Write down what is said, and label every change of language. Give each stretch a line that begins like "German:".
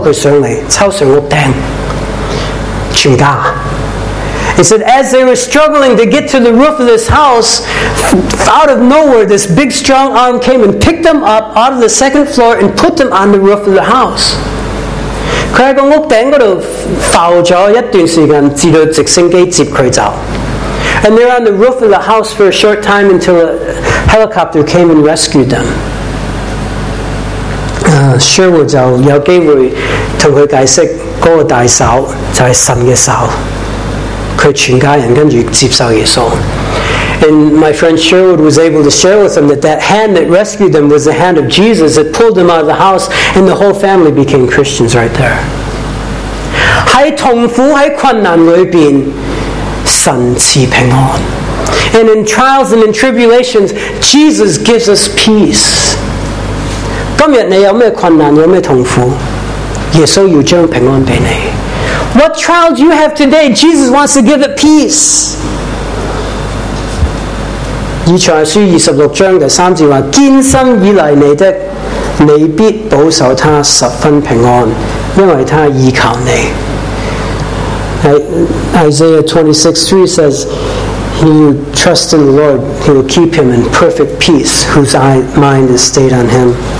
Cantonese: 當他掙扎緊的時候，幾乎要浸死的時候，無端端在空氣中有個大力的右手，拔住他，抽他上來，抽上屋頂，全家。
English: He said, as they were struggling to get to the roof of this house, out of nowhere, this big strong arm came and picked them up out of the second floor and put them on the roof of the house.
Cantonese: 他在屋頂那裡浮了一段時間，直到直升機接他走。
English: And they're on the roof of the house for a short time until a helicopter came and rescued them.
Cantonese: Sherwood有機會跟他解釋那個大手就是神的手，他全家人跟著接受耶穌。
English: And my friend Sherwood was able to share with them that that hand that rescued them was the hand of Jesus that pulled them out of the house, and the whole family became Christians right there.
Cantonese: 在痛苦在困難裡面， 神賜平安。
English: And in trials and in tribulations, Jesus gives us peace.
Cantonese: 今天你有什麼困難，有什麼痛苦， 耶穌要將平安給你。
English: What trials you have today, Jesus wants to give it peace.
Cantonese: 以賽亞書26章的3節說， 堅心以來你的，你必保守他十分平安， 因為他倚靠你。
English: Isaiah 26:3 says, he who trusts in the Lord, he will keep him in perfect peace, whose mind is stayed on him.